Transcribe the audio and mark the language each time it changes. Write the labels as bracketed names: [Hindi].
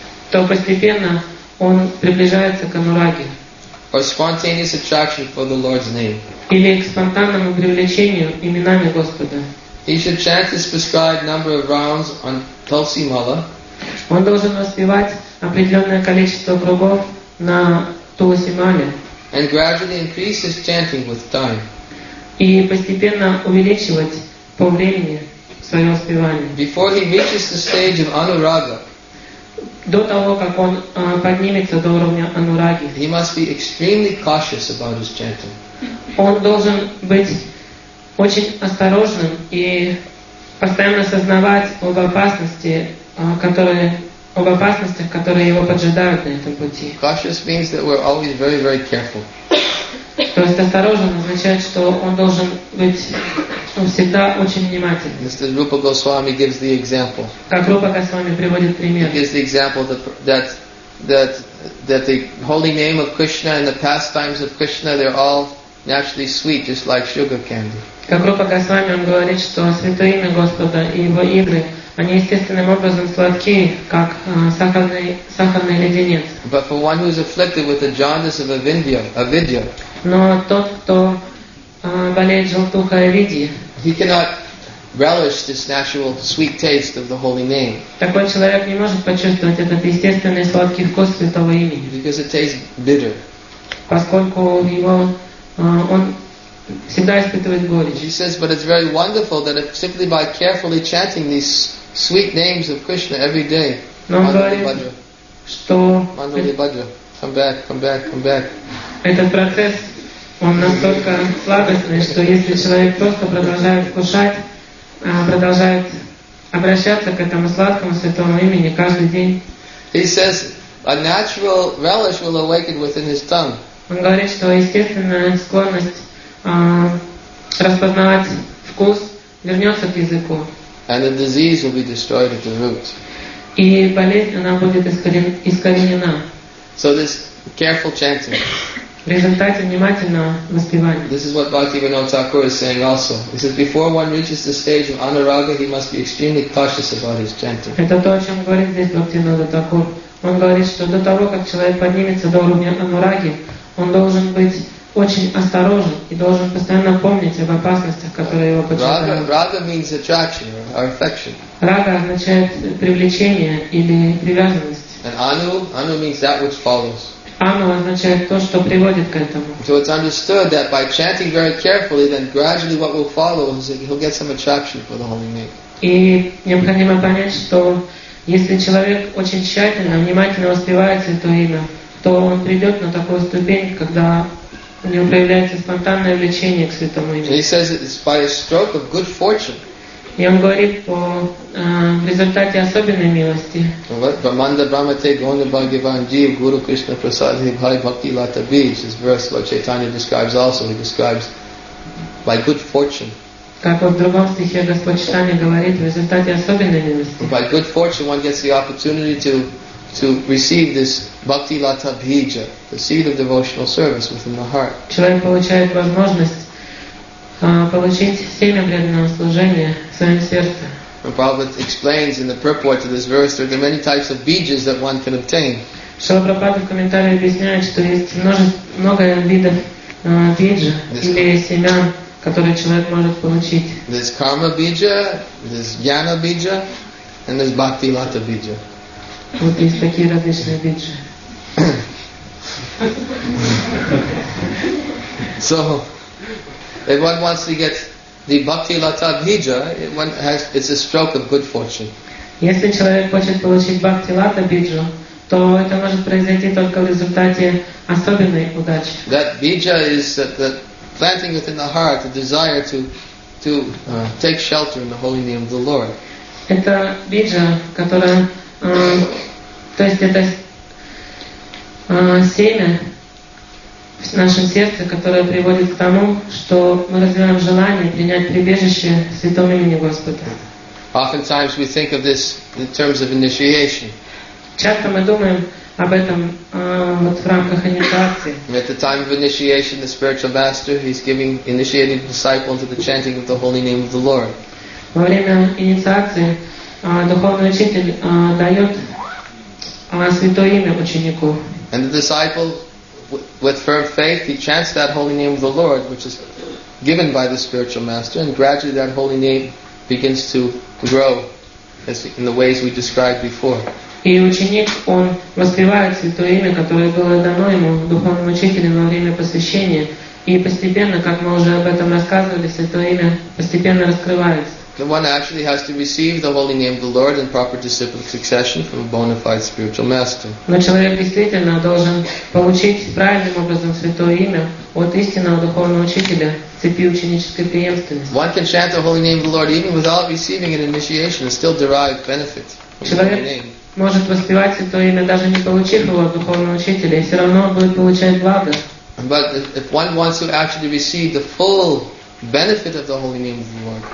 [Russian] то постепенно он приближается к анураге. [English] Or spontaneous attraction for the Lord's name. [Russian] Или к спонтанному привлечению именами Господа. [English] He should chant this prescribed number of rounds on Tulsi Mala. [Russian] Он должен воспевать определенное количество кругов на Тулси Мале. [English] And gradually increase his chanting with time. [Russian] И постепенно увеличивать по времени свое воспевание. [English] Before he reaches the stage of Anuraga. [Russian] До того, как он поднимется до уровня Анураги. [English] He must be extremely cautious about his chanting. [Russian] Он должен быть очень осторожным и постоянно сознавать об опасности, которые об опасностях, которые его поджидают на этом пути. [English] Cautious means that we're always very, very careful. [Russian] То есть осторожен означает, что он должен быть всегда очень внимательным. [English] Mr. Rupa Goswami gives the example. [Russian] Как Рупа Госвами приводит пример. [English] He gives the example that the holy name of Krishna and the pastimes of Krishna, they're all naturally sweet, just like sugar candy. [Russian] Как Рупа Госвами, он говорит, что святое имя Господа и его игры, они естественным образом сладкие, как сахарный леденец. [English] But for one who is afflicted with the jaundice of avidya, [Russian] но тот, кто болеет желтухой авидьи, [English] he cannot relish this natural sweet taste of the holy name. [Russian] Такой человек не может почувствовать этот естественный сладкий вкус святого имени. [English] Because it tastes bitter. [Russian] Поскольку его он всегда испытывает горечь. [English] He says, but it's very wonderful that if simply by carefully chanting these sweet names of Krishna every day. [Russian] Но он говорит, что [English] Мандали Баджа, come back. [Russian] Этот процесс, он настолько сладостный, что если человек просто продолжает кушать, продолжает обращаться к этому сладкому святому имени каждый день. [English] He says, a natural relish will awaken within his tongue. [Russian] Он говорит, что естественная склонность распознавать вкус вернется к языку. [English] And the disease will be destroyed at the root. [Russian] И болезнь она будет искоренена. [English] So this careful chanting. [Russian] В результате внимательного воспевания. [English] This is what Bhaktivinoda Thakur is saying also. He says before one reaches the stage of anuraga, he must be extremely cautious about his chanting. [Russian] Это то, о чем говорит здесь Бхактивинода Такур. Он говорит, что до того, как человек поднимется до уровня анураги, он должен быть очень осторожен и должен постоянно помнить об опасностях, которые его поджидают. [English] Рага means attraction or affection. [Russian] Рага означает привлечение или привязанность. [English] And anu means that which follows. [Russian] Ану означает то, что приводит к этому. [English] So it's understood that by chanting very carefully, then gradually what will follow is that he'll get some attraction for the holy name. [Russian] И необходимо понять, что если человек очень тщательно, внимательно воспевает святое имя, то он придет на такую ступень, когда у него появляется спонтанное влечение к святому имени. [English] He says it's by a stroke of good fortune. [Russian] И он говорит по в результате особенной милости. [Sanskrit] Brahmanda Brahmate Gona Bhagavan Jiv Guru Krishna Prasad Bhai Bhakti Lata Bij. [English] This verse Lord Chaitanya describes also. He describes by good fortune. [Russian] Как в другом стихе Господь Читания говорит, в результате особенной милости. [English] By good fortune one gets the opportunity to receive this Bhakti Lata Bija, the seed of devotional service within the heart. [Russian] Человек получает возможность получить семя преданного служения в своем сердце. [English] Prabhupada explains in the purport to this verse that there are many types of bijas that one can obtain. [Russian] Шрила Прабхупада в комментарии объясняет, что есть много видов биджа или семян, которые человек может получить. [English] There's karma bija, there's jnana bija, and there's bhakti lata bija. [Russian] Вот есть такие различные биджи. [English] So, if one wants to get the bhakti lata bija, it's a stroke of good fortune. [Russian] Если человек хочет получить бхакти лата биджу, то это может произойти только в результате особенной удачи. [English] That bija is the planting within the heart, the desire to take shelter in the holy name of the Lord. [Russian] Это биджа, которая, то есть это семя в нашем сердце, которое приводит к тому, что мы развиваем желание принять прибежище в святом имени Господа. [English] Oftentimes we think of this in terms of initiation. [Russian] Часто мы думаем об этом вот в рамках инициации. [English] At the time of initiation, the spiritual master he's giving initiating disciples to the chanting of the holy name of the Lord. [Russian] Во время инициации духовный учитель дает святое имя ученику. [English] And the disciple with firm faith, he chants that holy name of the Lord, which is given by the spiritual master, and gradually that holy name begins to grow as in the ways we described before. [Russian] И ученик, он воспевает святое имя, которое было дано ему духовным учителем во время посвящения, и постепенно, как мы уже об этом рассказывали, святое имя постепенно раскрывается. [English] Then one actually has to receive the holy name of the Lord in proper disciplic succession from a bona fide spiritual master. [Russian] Но человек действительно должен получить правильным образом святое имя от истинного духовного учителя в цепи ученической преемственности. [English] One can chant the holy name of the Lord even without receiving an initiation and still derive benefit from the holy name. [Russian] Человек может воспевать святое имя, даже не получив его от духовного учителя, и все равно будет получать благо. [English] But if one wants to actually receive the full benefit of the holy name of the Lord.